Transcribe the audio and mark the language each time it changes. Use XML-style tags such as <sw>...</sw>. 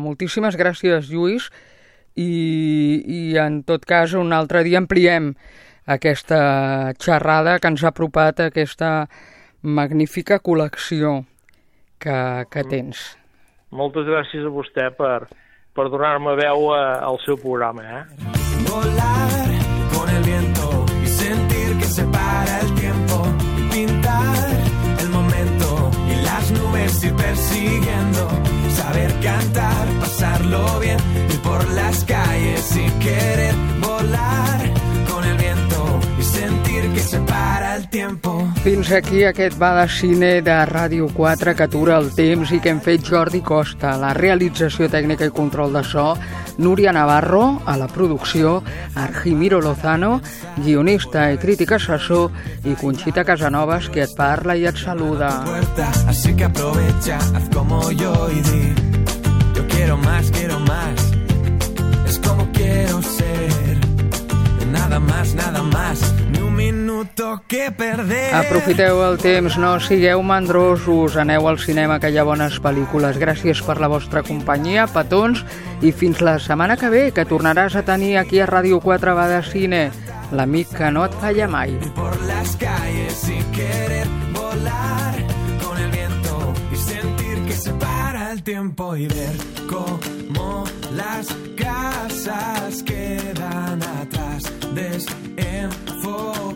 <ca>Moltíssimes gràcies, Lluís, i en tot cas un altre dia ampliem aquesta xerrada que ens ha apropat a aquesta magnífica col·lecció que tens. Moltes gràcies a vostè per donar-me veu al seu programa, eh?</ca> <es>Volar con el viento y sentir que se para el tiempo, pintar el momento y las nubes ir persiguiendo, saber cantar, pasarlo bien y por las calles sin querer volar con el viento y sentir que se para el tiempo.</es> <ca>Fins aquí aquest Va de Cine de Ràdio 4 que atura el temps i que hem fet Jordi Costa, la realització tècnica i control de so, Núria Navarro, a la producció, Argimiro Lozano, guionista i crític assessor, i Conxita Casanovas, que et parla i et saluda.</ca> <es>Así que aprovecha, haz como yo y di, yo quiero más, es como quiero ser, nada más, nada más.</es> <ca>Aprofiteu el temps, no sigueu mandrosos, aneu al cinema que hi ha bones pel·lícules. Gràcies per la vostra companyia, petons, i fins la setmana que ve, que tornaràs a tenir aquí a Ràdio 4 Va de Cine l'amic que no et falla mai.</ca> <es>Por las calles sin querer volar con el viento y sentir que se para el tiempo y ver cómo las casas quedan atrás desenfocadas.</es>